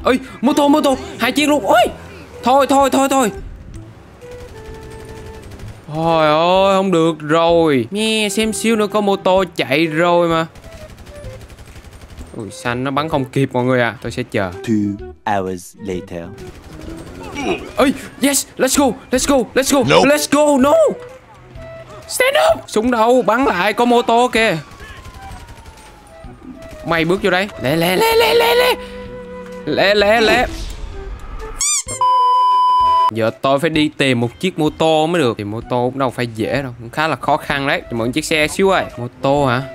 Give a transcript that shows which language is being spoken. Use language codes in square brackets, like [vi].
[vi] Ơi, mô tô mô tô, hai chiếc luôn. Ôi. Thôi thôi thôi thôi. Trời ơi, không được rồi. Nghe xem xíu nữa có mô tô chạy rồi mà. Ui, xanh nó bắn không kịp mọi người à. Tôi sẽ chờ. [en] 2 hours later. [vi] Ơi, [en] yes, let's go, let's go, let's go. Nope. Let's go, no. Stand up. [vi] Súng đâu, bắn lại, có mô tô kìa. Mày bước vô đây. Lê, lê, lê, lê, lê. Lê, lê, lê. Giờ tôi phải đi tìm một chiếc mô tô mới được. Tìm mô tô cũng đâu phải dễ đâu, cũng khá là khó khăn đấy. Chỉ mượn chiếc xe xíu ơi. Mô tô hả?